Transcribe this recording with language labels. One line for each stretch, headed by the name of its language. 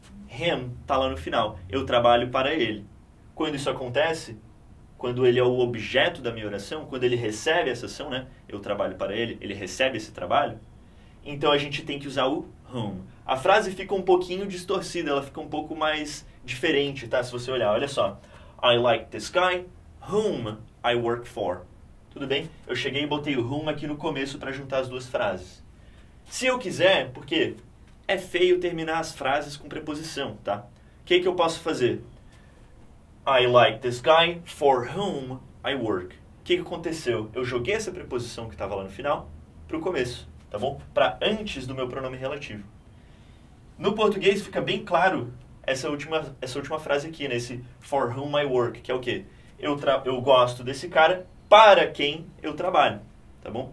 Portuguese: Him está lá no final. Eu trabalho para ele. Quando isso acontece, quando ele é o objeto da minha oração, quando ele recebe essa ação, né? Eu trabalho para ele recebe esse trabalho. Então a gente tem que usar o whom. A frase fica um pouquinho distorcida, ela fica um pouco mais diferente, tá? Se você olhar, olha só.
English: I like this guy, whom I work for.
Portuguese: Tudo bem? Eu cheguei e botei o whom aqui no começo para juntar as duas frases. Se eu quiser, porque é feio terminar as frases com preposição, tá? O que que eu posso fazer?
English: I like this guy for whom I work.
Portuguese: O que que aconteceu? Eu joguei essa preposição que estava lá no final para o começo. Tá bom? Para antes do meu pronome relativo. No português fica bem claro essa última frase aqui, nesse né?
English: For whom I work,
Portuguese: que é o quê? Eu gosto desse cara para quem eu trabalho. Tá bom?